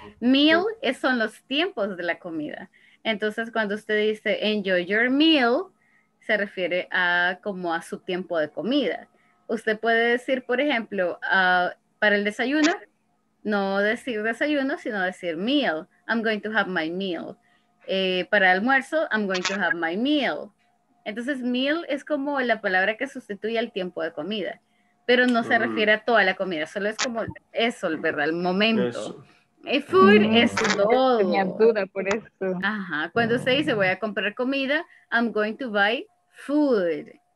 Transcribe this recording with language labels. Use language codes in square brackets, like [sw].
[es] Meal son los tiempos de la comida. Entonces, cuando usted dice [en] enjoy your meal, [es] se refiere a como a su tiempo de comida. Usted puede decir, por ejemplo, para el desayuno, no decir desayuno, sino decir meal. [en] I'm going to have my meal. [es] Para el almuerzo, [en] I'm going to have my meal. [es] Entonces, meal es como la palabra que sustituye al tiempo de comida, pero no se refiere a toda la comida, solo es como eso, ¿verdad? El momento. El food es todo. Tenía duda por eso. Ajá, cuando se dice voy a comprar comida, [en] I'm going to buy food.